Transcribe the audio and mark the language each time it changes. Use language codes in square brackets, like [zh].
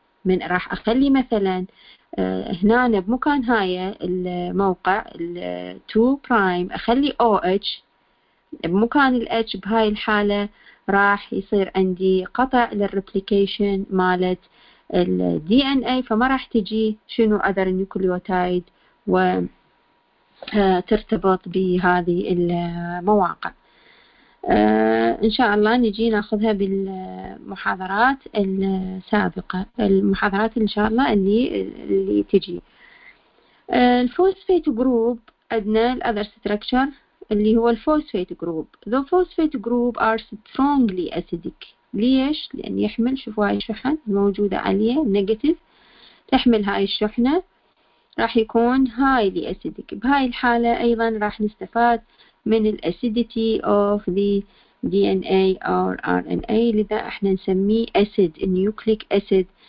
[ar] من راح اخلي مثلا هنا بمكان هاي الموقع الـ 2 برايم اخلي او اتش، بمكان الاتش بهاي الحاله راح يصير عندي قطع للريبليكيشن مالت الدي ان اي، فما راح تجي شنو اذر النيوكليوتايد وترتبط بهذه المواقع. إن شاء الله نجي ناخذها بالمحاضرات السابقة، المحاضرات إن شاء الله اللي تجي. الفوسفيت جروب عندنا الأذر ستركتشر اللي هو الفوسفيت جروب. [en] The phosphate group are strongly acidic. [ar] ليش؟ لأن يحمل، شوفوا هاي الشحن الموجودة عليه نيجاتيف، تحمل هاي الشحنة راح يكون [en] highly acidic. [ar] بهاي الحالة أيضا راح نستفاد من الأسيديتي [en] of the DNA or RNA، [ar] لذا احنا نسميه [en] acid nucleic acid.